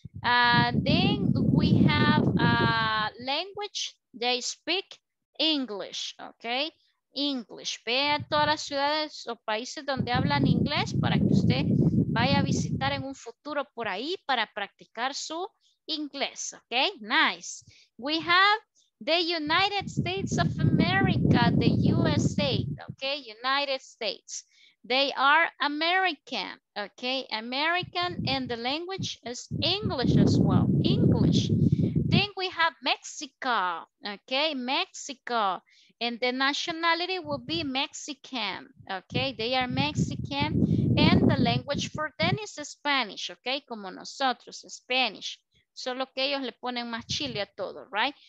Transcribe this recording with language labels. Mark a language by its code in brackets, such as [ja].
[en] Then we have language, they speak English, okay? English. [es] Vea todas las ciudades o países donde hablan inglés para que usted vaya a visitar en un futuro por ahí para practicar su inglés, okay? [en] Nice. We have the United States of America, the USA, okay? United States. They are American, okay? American, and the language is English as well, English. Then we have Mexico, okay? Mexico. And the nationality will be Mexican, okay? They are Mexican. And the language for them is Spanish, okay? [es] Como nosotros, Spanish. Solo que ellos le ponen más chile a todo, right?